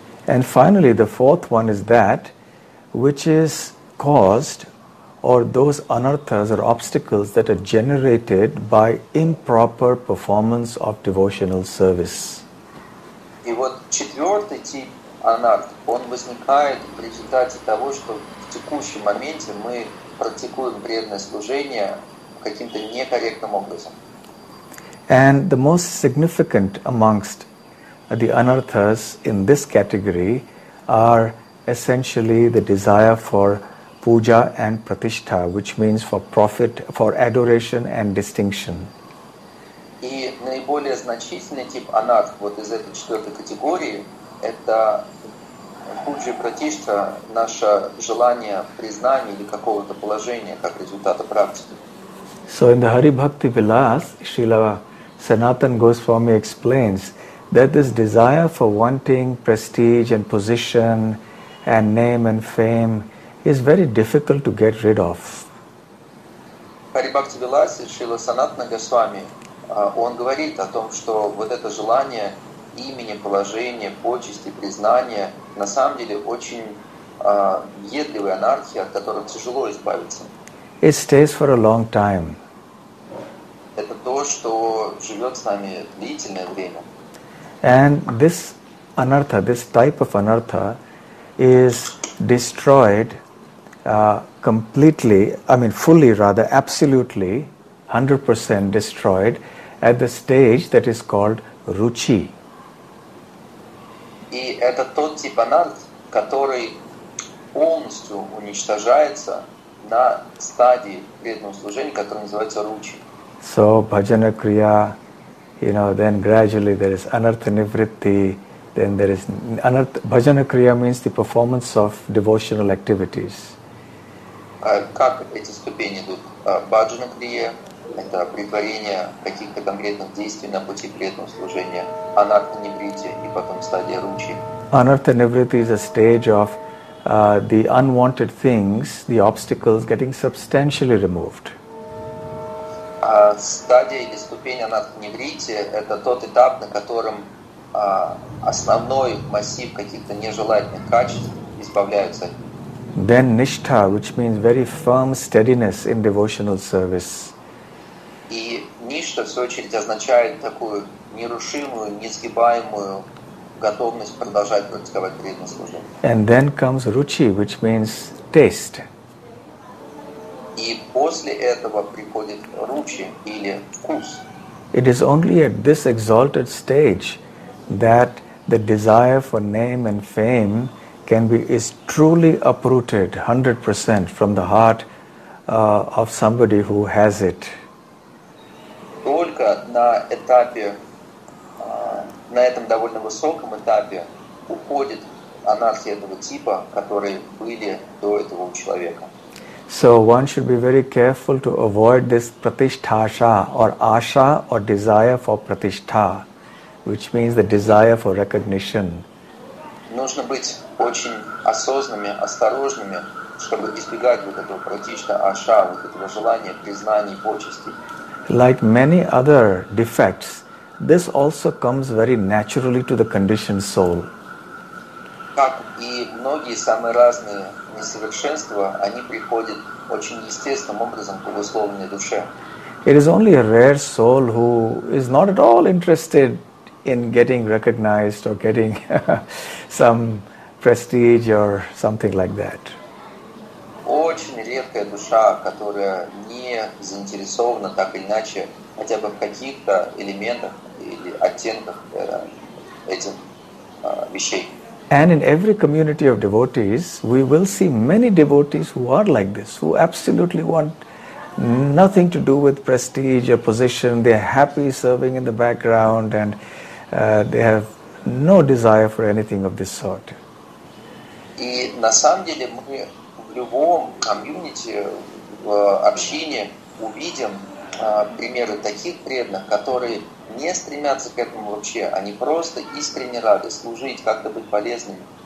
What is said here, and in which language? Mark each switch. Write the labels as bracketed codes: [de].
[en] And finally, the fourth one is that which is caused, or those anarthas or obstacles that are generated by improper performance of devotional service. [ru] И вот четвертый тип анарх, он возникает в результате того, что в текущем моменте мы практикуем преданное служение каким-то некорректным образом. [en] And the most significant amongst the anarthas in this category are essentially the desire for puja and pratishtha, which means for profit, for adoration and distinction. [ru] И наиболее значительный тип анарт вот из этой четвертой категории это пуджа и пратишта, наше желание признания или какого-то положения как результата практики. [en] So in the Hari Bhakti Vilas, Srila Sanatana Goswami explains that this desire for wanting prestige and position and name and fame is very difficult to get rid of. [ru] Hari Bhakti Vilas, Srila Sanatana Goswami, он говорит о том, что вот это желание имени, положения, почести, признания на самом деле очень въедливая анархия, от которой тяжело избавиться. [en] It stays for a long time. [ru] Это то, что живет с нами длительное время. [en] And this anartha, this type of anartha, is destroyed completely, I mean fully rather, absolutely, 100% destroyed at the stage that is called ruchi. [ru] И это тот тип анарт, который полностью уничтожается на стадии преданного служения, которое называется ручи. [en] So bhajana kriya, you know, then gradually there is anartha nivritti, then there is anartha. Bhajana kriya means the performance of devotional activities. [ru] Как эти ступени идут? Bhajana kriya — это претворение каких-то конкретных действий на пути преданного служения. Anartha nivritti — и потом стадия ручи. [en] Anartha nivritti is a stage of the unwanted things, the obstacles getting substantially removed. [ru] Стадия или ступень анартха нивритти — это тот этап, на котором основной массив каких-то нежелательных качеств избавляются. [en] Then nishtha, which means very firm steadiness in devotional service. [ru] И ништа, в свою очередь, означает такую нерушимую, несгибаемую готовность продолжать практиковать преданное служение. [en] And then comes ruchi, which means taste. [ru] И после этого приходит ручи или вкус. [en] It is only at this exalted stage that the desire for name and fame can be is truly uprooted 100% from the heart of somebody who has it. [ru] Только на этапе, на этом довольно высоком этапе уходит анархия этого типа, которые были до этого у человека. [en] So one should be very careful to avoid this pratishthasha or asha or desire for pratishtha, which means the desire for recognition. [ru] Нужно быть очень осознанными, осторожными, чтобы избегать вот этого пратишта аша, вот этого желания признания и почести. [en] Like many other defects, this also comes very naturally to the conditioned soul. [ru] Как и многие самые разные несовершенства, они приходят очень естественным образом к условной душе. [en] It is only a rare soul who is not at all interested in getting recognized or getting some prestige or something like that. [ru] Очень редкая душа, которая не заинтересована так или иначе хотя бы в каких-то элементах или оттенках этих вещей. [en] And in every community of devotees, we will see many devotees who are like this, who absolutely want nothing to do with prestige or position. They are happy serving in the background and they have no desire for anything of this sort. [ru] И на самом деле мы в любом комьюнити, в общине увидим примеры таких преданных, которые не стремятся к этому вообще, они просто искренне рады служить, как-то быть полезными.